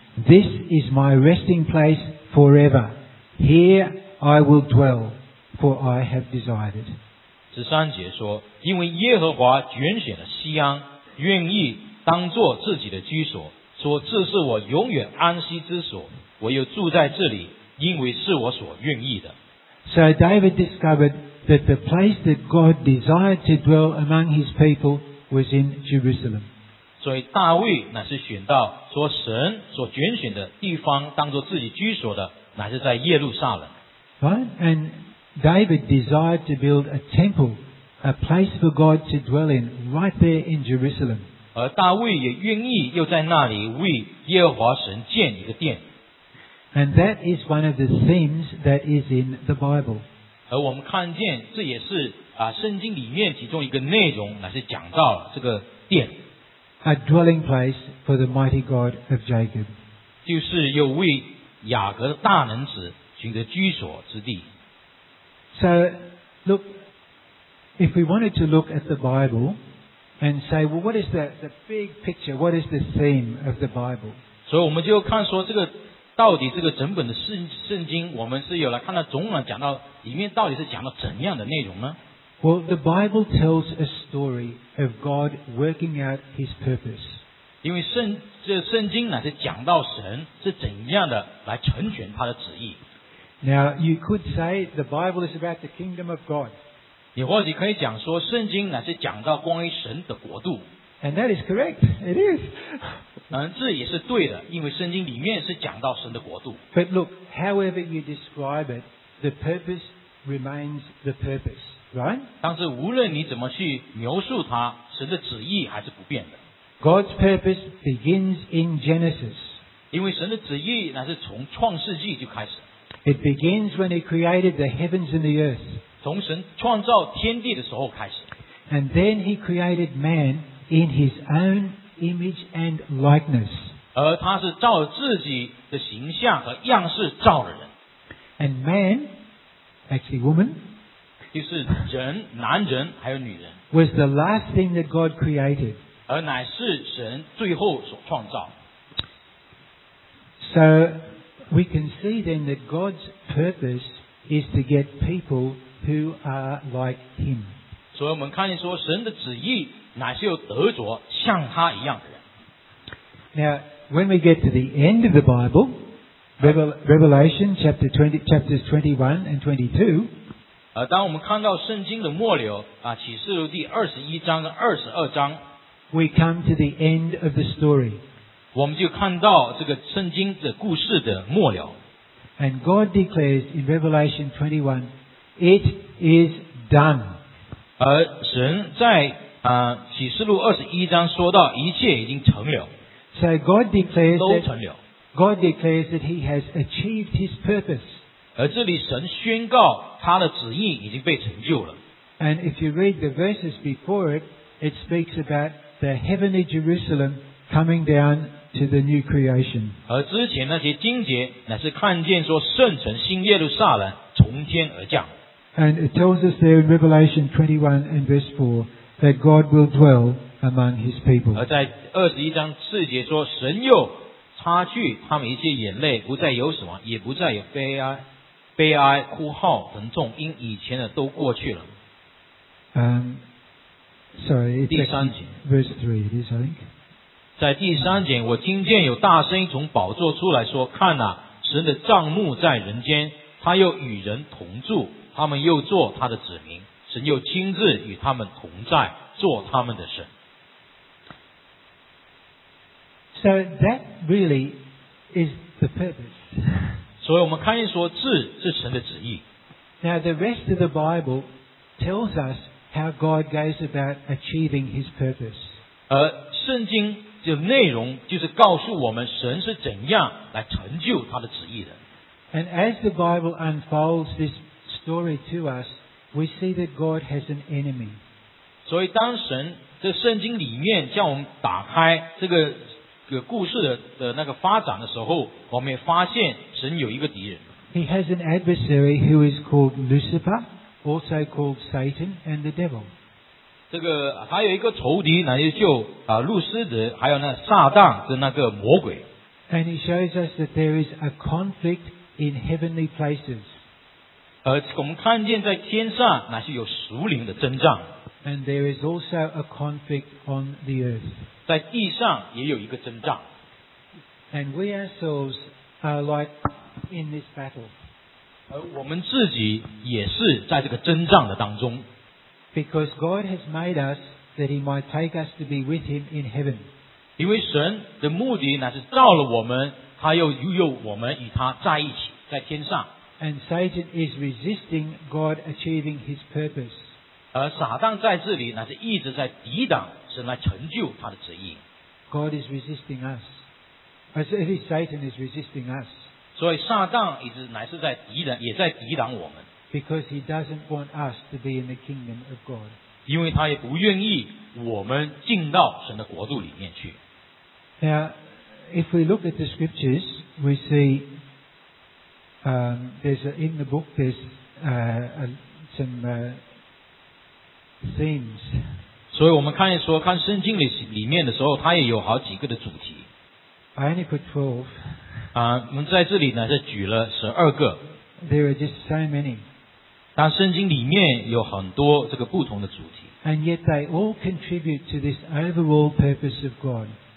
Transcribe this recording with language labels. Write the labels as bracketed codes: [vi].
[en] This is my resting place forever. Here I will dwell, for I have desired it. [zh] 十三节说，因为耶和华拣选了锡安，愿意当作自己的居所，说这是我永远安息之所，我又住在这里，因为是我所愿意的。 [en] So David discovered that the place that God desired to dwell among his people was in Jerusalem. [zh] 所以大卫乃是选到说神所拣选的地方当作自己居所的，乃是在耶路撒冷。 [en] Right? And David desired to build a temple, a place for God to dwell in, right there in Jerusalem. [zh] 而大卫也愿意又在那里为耶和华神建一个殿。 [en] And that is one of the themes that is in the Bible. [zh] 而我们看见这也是圣经里面其中一个内容，乃是讲到了这个殿。 [en] A dwelling place for the mighty God of Jacob. [zh] 就是又为雅各的大能子寻得居所之地。 [en] So, look, if we wanted to look at the Bible,and say, well, what is the big picture? What is the theme of the Bible? [zh] 所以我们就看说这个到底这个整本的圣经，我们是有来看到总览讲到里面到底是讲到怎样的内容呢？ [en] Well, the Bible tells a story of God working out His purpose. [zh] 因为圣经乃是讲到神是怎样的来成全他的旨意。 [en] Now, you could say the Bible is about the kingdom of God. [zh] 你或许可以讲说圣经乃是讲到关于神的国度。 [en] And that is correct. It is. [zh] 这也是对的，因为圣经里面是讲到神的国度。 [en] But look, however you describe it, the purpose remains the purpose, right? [zh] 但是无论你怎么去描述它，神的旨意还是不变的。 [en] God's purpose begins in Genesis. [zh] 因为神的旨意乃是从创世纪就开始。 [en] It begins when He created the heavens and the earth. [zh] 从神创造天地的时候开始。 [en] And then he created man in his own image and likeness. [zh] 而他是照自己的形象和样式造的人。 [en] And man, actually woman, [zh] 就是人男人还有女人。 [en] Was the last thing that God created. [zh] 而乃是神最后所创造。 [en] So we can see then that God's purpose is to get peoplewho are like him. [zh] 所以我们看见说神的旨意乃是要得着像他一样的人。 [en] Now, when we get to the end of the Bible, Revelation chapters 21 and 22, [zh] 当我们看到圣经的末了启示录第21章跟22章 [en] we come to the end of the story. [zh] 我们就看到这个圣经的故事的末了。 [en] And God declares in Revelation 21,It is done. [zh] 而神在启示录二十一章说到一切已经成了。 [en] So God declares that, [zh] 都成了。 [en] God declares that He has achieved His purpose. [zh] 而这里神宣告他的旨意已经被成就了。 [en] And if you read the verses before it, it speaks about the heavenly Jerusalem coming down to the new creation. [zh] 而之前那些经节乃是看见说圣城新耶路撒冷从天而降。 [en] And it tells us there in Revelation 21 and verse 4 that God will dwell among His people. [zh] 而在21章4节说神又擦去他们一切眼泪，不再有什么，也不再有悲哀哭号疼痛，因以前的都过去了。 [en] Sorry, it's [zh] 第三节 [en] verse 3 it is, I think. [zh] 在第三节我听见有大声音从宝座出来说，看啊，神的帐幕在人间，他又与人同住，他们又做他的子民，神又亲自与他们同在，做他们的神。 [en] So that really is the purpose. [zh] 所以我们看见说这是神的旨意。 [en] Now the rest of the Bible tells us how God goes about achieving His purpose. [zh] 而圣经的内容就是告诉我们神是怎样来成就他的旨意的。 [en] And as the Bible unfolds this story to us, we see that God has an enemy. [zh] 所以当神这圣经里面叫我们打开这个故事 的那个发展的时候，我们也发现神有一个敌人。 [en] He has an adversary who is called Lucifer, also called Satan and the devil. [zh] 这个还有一个仇敌，那就路斯德，还有那撒旦是那个魔鬼。 [en] And he shows us that there is a conflict in heavenly places. [zh] 我们看见在天上那是有属灵的征战。 [en] And there is also a conflict on the earth. [zh] 在地上也有一个征战。 [en] And we ourselves are like in this battle. [zh] 我们自己也是在这个征战的当中。 [en] Because God has made us that He might take us to be with Him in heaven. [zh] 因为神的目的那是造了我们，他又有我们与他在一起，在天上。 [en] And Satan is resisting God achieving His purpose. [zh] 而撒旦在这里那是一直在抵挡神来成就他的旨意。 [en] God is resisting us. As if Satan is resisting us. [zh] 所以撒旦一直乃是在敌人，也在抵挡我们。 [en] Because he doesn't want us to be in the kingdom of God. [zh] 因为他也不愿意我们进到神的国度里面去。 [en] Now, if we look at the scriptures, we see, in the book there's themes. [zh] 所以我们看圣经里面的时候，它也有好几个的主题。 [en] I only put 12. [zh] 我们在这里呢是举了12个。 [en] There are just so many. [zh] 但圣经里面有很多这个不同的主题。 [en] And yet they all contribute to this overall purpose of God.